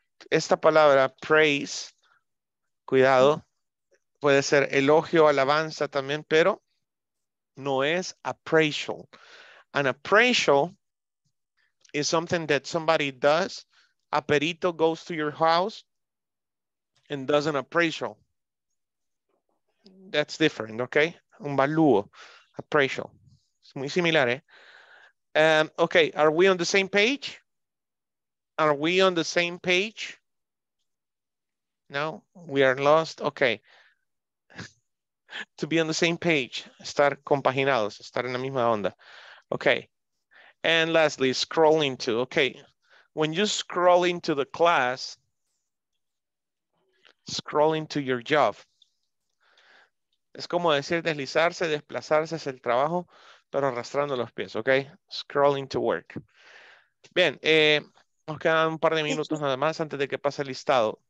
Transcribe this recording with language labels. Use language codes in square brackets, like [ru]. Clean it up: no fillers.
[es] Esta palabra, praise, cuidado, puede ser elogio, alabanza también, pero no es appraisal. [en] An appraisal is something that somebody does. A perito goes to your house and does an appraisal. That's different, okay? Un valuo, appraisal. [es] Es muy similar, eh? [en] Okay, are we on the same page? Are we on the same page? No, we are lost. Okay. To be on the same page. [es] Estar compaginados. Estar en la misma onda. Okay. [en] And lastly, scroll into. Okay. When you scroll into the class, scroll into your job. [es] Es como decir deslizarse, desplazarse hacia el trabajo, pero arrastrando los pies. Okay. [en] Scroll into work. [es] Bien. Nos quedan un par de minutos nada más antes de que pase el listado.